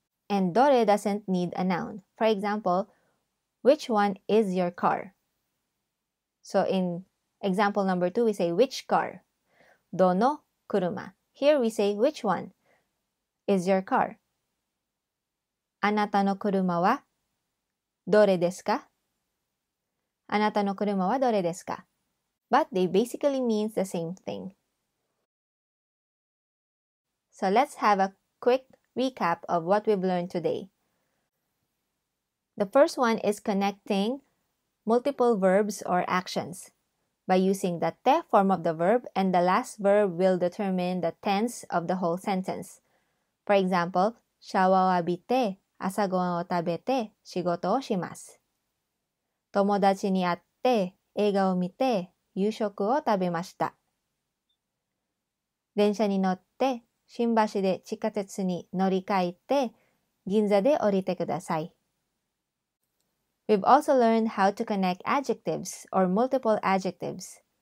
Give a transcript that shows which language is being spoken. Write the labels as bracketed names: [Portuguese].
[English] And dore doesn't need a noun. For example, which one is your car? So in example number 2, we say which car? Dono kuruma. Here we say which one is your car? [Japanese] あなたの車はどれですか？あなたの車はどれですか? [English] But they basically mean the same thing. So let's have a quick recap of what we've learned today. The first one is connecting multiple verbs or actions by using the te form of the verb, and the last verb will determine the tense of the whole sentence. For example, [Japanese] シャワーを浴びて朝ごはんを食べて仕事をします。友達に会って映画を見て夕食を食べました。電車に乗って新橋で地下鉄に乗り換えて銀座で降りてください。 [English] We've also learned how to connect adjectives or multiple adjectives.